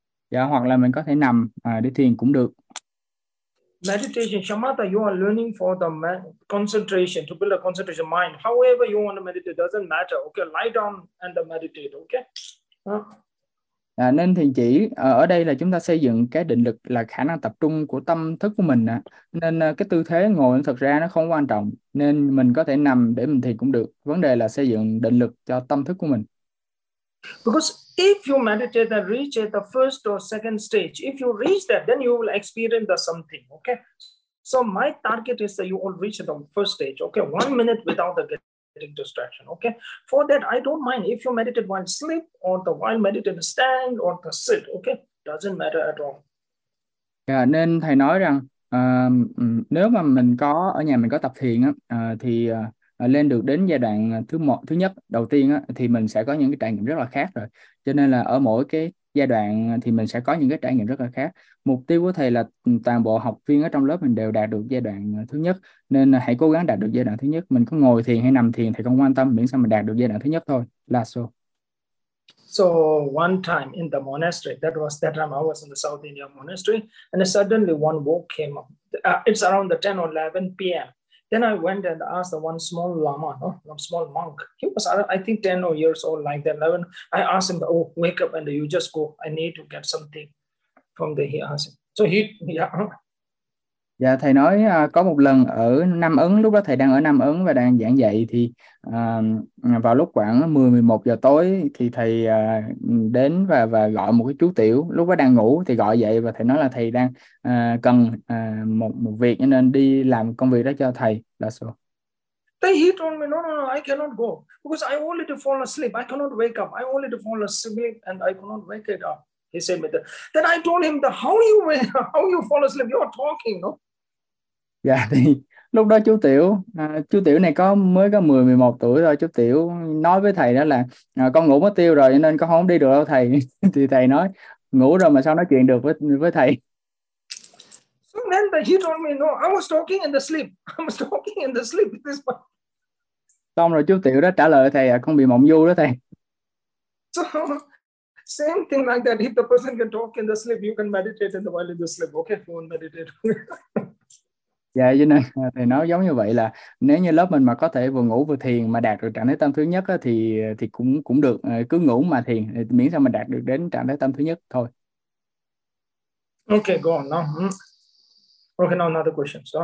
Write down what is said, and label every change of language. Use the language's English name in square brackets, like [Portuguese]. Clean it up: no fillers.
[Vietnamese] Dạ hoặc là mình có thể nằm để thiền cũng được. [English] Meditation, shamatha, you are learning for the concentration, to build a concentration mind. However you want to meditate, doesn't matter. Lie down and meditate, [Vietnamese] À, nên thiền chỉ ở đây là chúng ta xây dựng cái định lực là khả năng tập trung của tâm thức của mình à. Nên cái tư thế ngồi thực ra nó không quan trọng, nên mình có thể nằm để mình thiền cũng được. Vấn đề là xây dựng định lực cho tâm thức của mình. [English] Because if you meditate and reach at the first or second stage, if you reach that, then you will experience the something. So my target is that you will reach the first stage. 1 minute without the getting distraction. For that, I don't mind if you meditate while sleep or the while meditate stand or the sit. Doesn't matter at all. [Vietnamese] Yeah, nên thầy nói rằng nếu mà mình có ở nhà mình có tập thiền á, thì lên được đến giai đoạn thứ nhất đầu tiên á, thì mình sẽ có những cái trải nghiệm rất là khác rồi. Cho nên là ở mỗi cái giai đoạn thì mình sẽ có những cái trải nghiệm rất là khác. Mục tiêu của thầy là toàn bộ học viên ở trong lớp mình đều đạt được giai đoạn thứ nhất. Nên là hãy cố gắng đạt được giai đoạn thứ nhất. Mình có ngồi thiền hay nằm thiền thì không quan tâm, miễn sao mình đạt được giai đoạn thứ nhất thôi. Là so. [English] So one time in the monastery, that was that time I was in the South Indian monastery, and suddenly one walk came up. It's around the 10 or 11 p.m. Then I went and asked the one small lama, no, small monk. He was, I think, 10 or years old, like that. 11. I asked him, oh, wake up and you just go. I need to get something from there, he asked. So he, [Vietnamese] Dạ thầy nói có một lần ở Nam Ấn, lúc đó thầy đang ở Nam Ấn và đang giảng dạy, thì vào lúc khoảng 10-11 giờ tối thì thầy đến và gọi một cái chú tiểu lúc đó đang ngủ, thì gọi dậy và thầy nói là thầy đang cần một một việc nên đi làm công việc đó cho thầy là sao. [English] Then he told me, no, I cannot go because I only to fall asleep. I cannot wake up. I only to fall asleep and I cannot wake it up. He said me that. Then I told him, how you fall asleep? You are talking, no? [Vietnamese] Dạ thì lúc đó chú tiểu này mới có 10 11 tuổi thôi. Chú tiểu nói với thầy đó là con ngủ mất tiêu rồi nên con không đi được đâu thầy. Thì thầy nói ngủ rồi mà sao nói chuyện được với thầy. [English] Then he told me, no, I was talking in the sleep. I was talking in the sleep with this one. [Vietnamese] Xong rồi chú tiểu đó trả lời thầy con bị mộng du đó thầy. [English] So, same thing like that. If the person can talk in the sleep, you can meditate in the while in the sleep. You won't meditate. [Vietnamese] Dạ cho nên thầy nói giống như vậy là nếu như lớp mình mà có thể vừa ngủ vừa thiền mà đạt được trạng thái tâm thứ nhất á, thì cũng cũng được, cứ ngủ mà thiền miễn sao mà đạt được đến trạng thái tâm thứ nhất thôi. [English] Go on now. Now another question.